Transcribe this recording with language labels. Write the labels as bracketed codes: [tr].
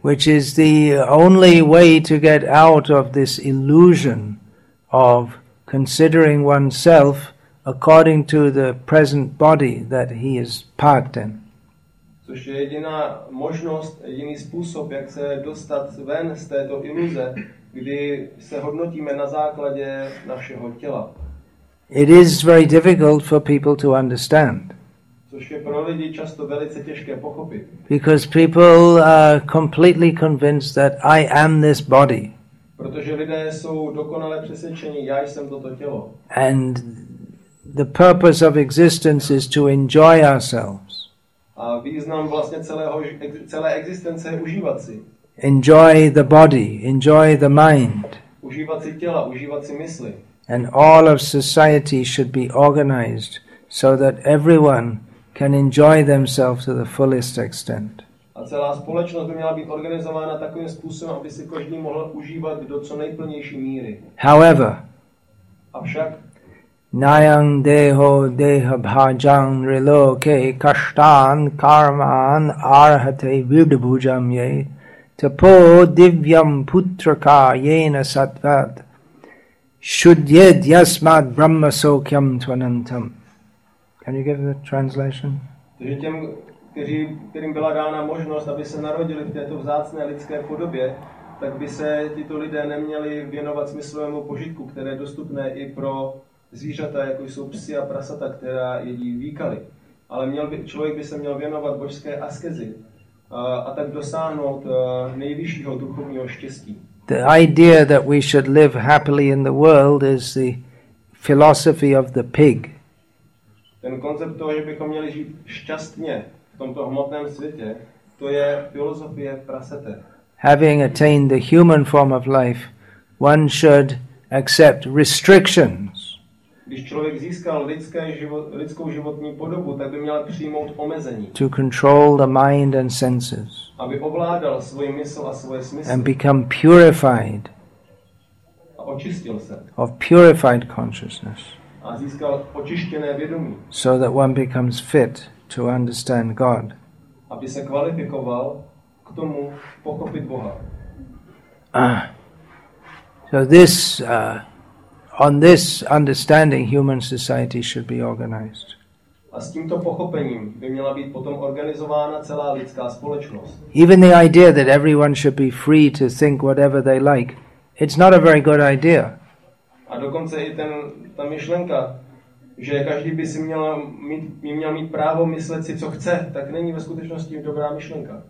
[en] Which is the only way to get out of this illusion of considering oneself according to the present body that he is parked in. [cs] Což je jediná možnost, jediný způsob, jak se dostat ven z této iluze, kdy se hodnotíme na základě našeho těla. [en] It is very difficult for people to understand. [cs] Což je pro lidi často velice těžké pochopit. [en] Because people are completely convinced that I am this body. [cs] Protože lidé jsou dokonale přesvědčeni, já jsem toto tělo. [en] And the purpose of existence is to enjoy ourselves. [cs] A význam vlastně celé existence je užívat si. [en] Enjoy the body, enjoy the mind. [cs] Užívat si těla, užívat si mysli. [en] And all of society should be organized so that everyone can enjoy themselves to the fullest extent. [cs] A celá společnost by měla být organizována takovým způsobem, aby si každý mohl užívat do co nejplnější míry. [en] However, [cs] avšak, [sa] nayang deho deha bhajan riloke kashtan karman arhate vidbhujam ye tapo divyam putraka yena satvat shudyed yasmad brahma sokyam tvanantam. [en] Can you give the translation? [cs] Takže těm, kterým byla dána možnost, aby se narodili v této vzácné lidské podobě, tak by se tito lidé neměli věnovat smyslovému požitku, které je dostupné i pro zvířata, jako jsou psi a prasata, která jedí výkaly. Ale člověk by se měl věnovat božské askezi a tak dosáhnout nejvyššího duchovního štěstí. [en] The idea that we should live happily in the world is the philosophy of the pig. [cs] Ten koncept toho, že bychom měli žít šťastně v tomto hmotném světě, to je filozofie prasete. [en] Having attained the human form of life, one should accept restrictions. [cs] Když člověk získal lidskou životní podobu, tak by měl přijmout omezení. [en] To control the mind and senses. [cs] Aby ovládal svoji mysl a svoje smysly. [en] And become purified. [cs] A očistil se. [en] Of purified consciousness. [cs] A získal očištěné vědomí. [en] So that one becomes fit to understand God. [cs] Aby se kvalifikoval k tomu pochopit Boha. [en] So this understanding human society should be organized. [cs] A s tímto pochopením by měla být potom organizována celá lidská společnost. [en] Even the idea that everyone should be free to think whatever they like, it's not a very good idea. [cs] A dokonce i ta myšlenka, že každý by si měl mít právo myslet si, co chce, tak není ve skutečnosti dobrá myšlenka.